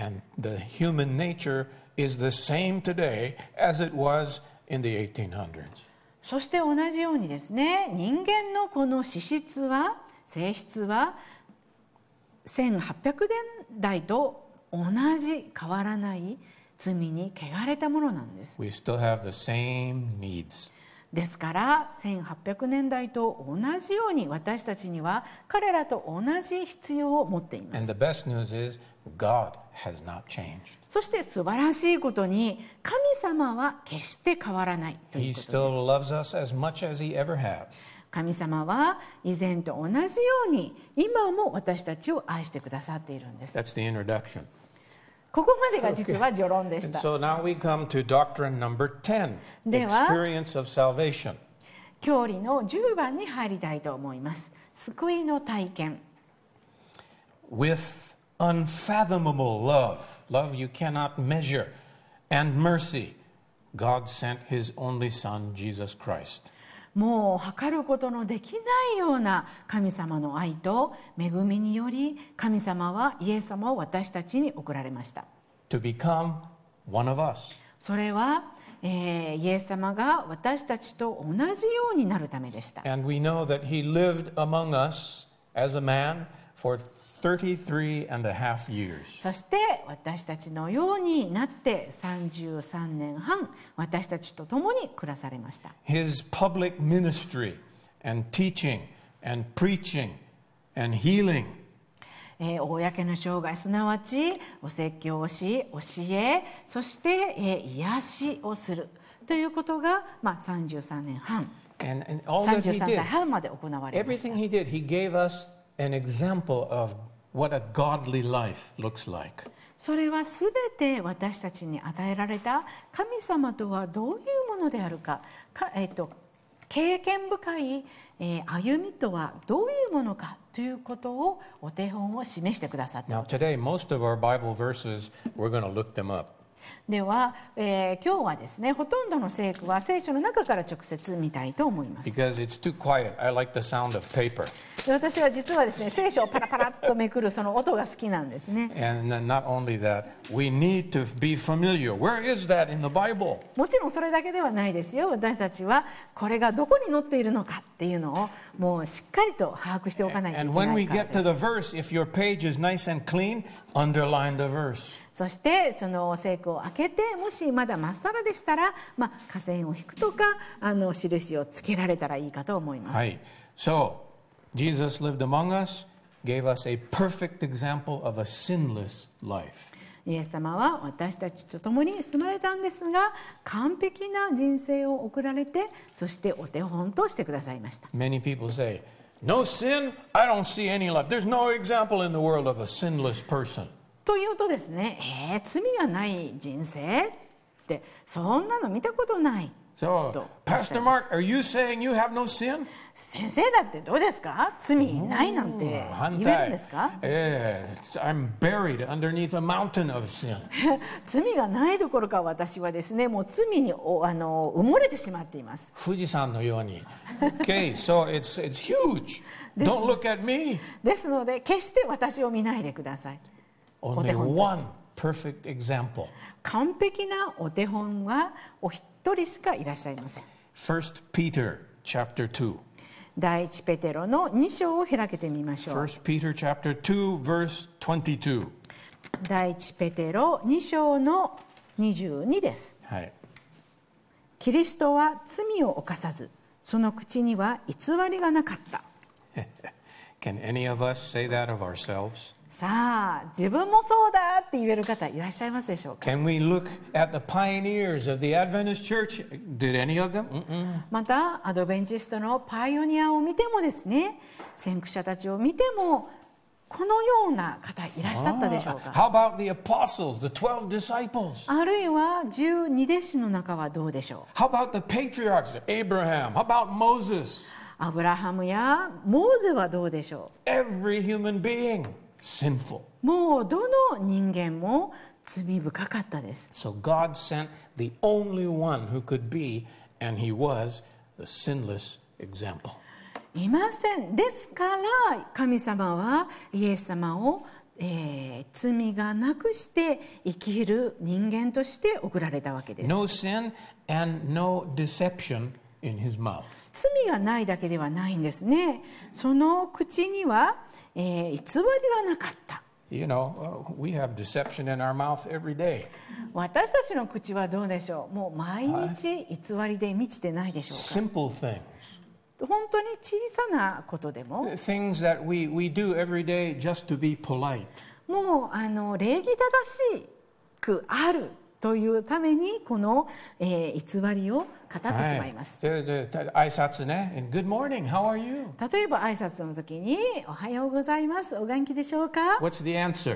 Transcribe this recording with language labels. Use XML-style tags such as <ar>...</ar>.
<en>And the human nature is the same today as it was in the 1800s.</en> <ja>そして同じようにですね、人間のこの資質は、性質は1800年代と同じ変わらない罪に汚れたものなんです。</ja> <en>We still have the same needs.</en> <ja>ですから1800年代と同じように私たちには彼らと同じ必要を持っています。</ja> <en>And the best news is God has not changed.</en> <ja>そして素晴らしいことに神様は決して変わらないということです。</ja> <en>He still loves us as much as he ever has.</en> <ja>神様は以前と同じように今も私たちを愛してくださっているんです。</ja> <en>That's the introduction.</en> <ja>ここまでが実は序論でした。</ja> <en>Okay. So now we come to doctrine number 10, experience of salvation.</en> <ja>教理の10番に入りたいと思います。救いの体験。</ja> <en>With unfathomable love, love you cannot measure, and mercy, God sent his only son, Jesus Christ.</en> <ja>もう測ることのできないような神様の愛と恵みにより神様はイエス様を私たちに送られました。</ja> <en>To become one of us.</en> <ja>それは、イエス様が私たちと同じようになるためでした。</ja> <en>And we know that he lived among us as a man for 33 and a half years.</en> <ja>そして私たちのようになって33年半私たちと共に暮らされました。</ja> <en>His public ministry and teaching and preaching and healing.</en> <ja>公の生涯すなわちお説教をし教えそして癒しをするということが、まあ、33年半 33歳半まで行われました。</ja> <en>Everything he did, he gave usAn example of what a godly life looks like.</en> <ja>それはすべて私たちに与えられた神様とはどういうものであるか、経験深い歩みとはどういうものかということをお手本を示してくださった。</ja> <en>Now today, most of our Bible verses, we're going to look them up.</en> <ja>では、今日はですね、ほとんどの聖句は聖書の中から直接見たいと思います。</ja> <en>Because it's too quiet. I like the sound of paper.</en> <ja>私は実はですね、聖書をパラパラっとめくるその音が好きなんですね。</ja> <en>And not only that, we need to be familiar. Where is that in the Bible?</en> <ja>もちろんそれだけではないですよ。私たちはこれがどこに載っているのかっていうのをもうしっかりと把握しておかないといけない。</ja> <en>And when we get to the verse, if your page is nice and clean, underline the verse.</en> <ja>そしてその聖句を開けてもしまだ真っさらでしたら、まあ、下線を引くとかあの印をつけられたらいいかと思います。はい。</ja> <en>So, Jesus lived among us, gave us a perfect example of a sinless life.</en> <ja>イエス様は私たちと共に住まれたんですが完璧な人生を送られてそしてお手本としてくださいました。</ja> <en>Many people say, No sin, I don't see any life. There's no example in the world of a sinless person.</en> <ja>というとですね、罪がない人生ってそんなの見たことない。</ja> <en>So, Pastor Mark, are you saying you have no sin?</en> <ja>先生だってどうですか？罪ないなんて言えるんですか？</ja> <en>I'm buried underneath a mountain of sin.</en> <ja>罪がないどころか私はですね、もう罪に埋もれてしまっています。富士山のように。</ja> <en>Okay, so it's huge. Don't look at me.</en> <ja>ですので決して私を見ないでください。</ja> <en>Only one perfect example.</en> <ja>完璧なお手本はお一人しかいらっしゃいません。</ja> <en>First Peter chapter 2.</en> <ja>第一ペテロの2章を開けてみましょう。</ja> <en>First Peter chapter 2 verse 22.</en> <ja>第一ペテロ2章の22です。はい。キリストは罪を犯さず、その口には偽りがなかった。</ja> <en>OK, Can any of us say that of ourselves?</en> <ja>さあ、自分もそうだって言える方いらっしゃいますでしょうか?</ja> <en>Can we look at the pioneers of the Adventist Church? Did any of them?</en> <ja>また、アドベンチストのパイオニアを見てもですね、先駆者たちを見ても、このような方いらっしゃったでしょうか?</ja> <en>How about the apostles, the 12 disciples?</en> <ja>あるいは、12弟子の中はどうでしょう?</ja> <en>How about the patriarchs, Abraham? How about Moses?</en> <ja>アブラハムやモーゼはどうでしょう?</ja> <en>Every human being. Sinful.</en> <ja>もうどの人間も罪深かったです。</ja> <en>So God sent the only one who could be, and he was the sinless example.</en> <ja>いません。ですから神様はイエス様を、罪がなくして生きる人間として送られたわけです。</ja> <en>No sin and no deception. In his mouth.</en> <ja>罪がないだけではないんですね。その口には、偽りはなかった。</ja> <en>You know, we have deception in our mouth every day.</en> <ja>私たちの口はどうでしょう。もう毎日偽りで満ちてないでしょうか。</ja> <en>Simple things.</en> <ja>本当に小さなことでも。</ja> <en>Things that we do every day just to be polite.</en> <ja>もう礼儀正しくあるというためにこの、偽りを語ってしまいます。はい、挨拶ね。</ja> <en>And good morning. How are you?</en> <ja>例えば挨拶の時に、おはようございます。お元気でしょうか?</ja> <en>What's the answer?</en>